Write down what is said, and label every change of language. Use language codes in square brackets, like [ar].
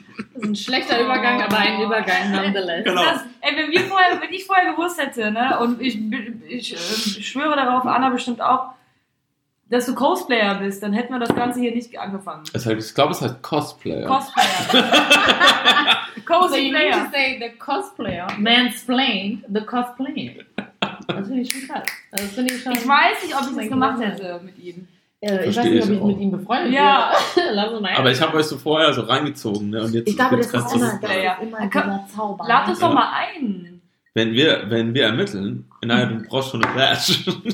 [de] Das ist ein schlechter Übergang, aber ein Übergang nonetheless. Genau. Wenn ich vorher gewusst hätte, ne, und ich schwöre darauf, Anna bestimmt auch, dass du Cosplayer bist, dann hätten wir das Ganze hier nicht angefangen. Ich glaube, es heißt Cosplayer. Cosplayer. [en] So you need to say the cosplayer. Mansplained the cosplayer. [de] Das finde ich schon krass. Das finde ich schon. Ich weiß nicht, ob ich das gemacht hätte mit ihm. Ich weiß nicht, ob ich mit ihm befreundet bin. Ja. Lass uns mal. Aber ich habe euch so vorher so reingezogen. Ne? Und jetzt, ich glaube, das ist immer dieser Zauber. Lad uns doch mal ein. Wenn wir ermitteln, naja, du brauchst schon eine Flash.